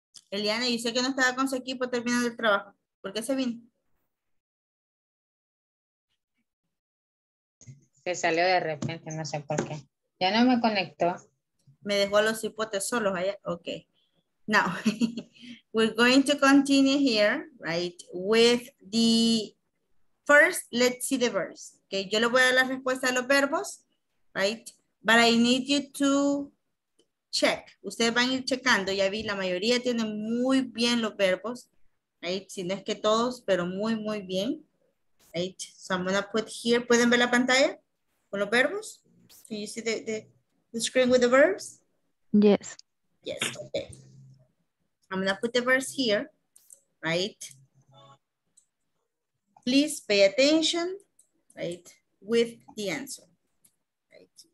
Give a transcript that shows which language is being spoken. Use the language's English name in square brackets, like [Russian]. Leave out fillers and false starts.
[Spanish] Eliana, yo sé que no estaba con su equipo terminando el trabajo. ¿Por qué se vino? Se salió de repente, no sé por qué. Ya no me conectó. Me dejó a los hipotes solos allá. Okay. [English] Now, we're going to continue here, right, with the first, let's see the verbs. [Spanish] Okay, yo le voy a dar la respuesta a los verbos, right, [English] but I need you to check. [Spanish] Ustedes van a ir checando, ya vi, la mayoría tiene muy bien los verbos, right, si no es que todos, pero muy, muy bien, right. [English] So I'm going to put here, [Spanish] ¿pueden ver la pantalla con los verbos? [English] Can you see the screen with the verbs? Yes. Yes, okay. I'm going to put the verse here, right? Please pay attention, right? With the answer, right?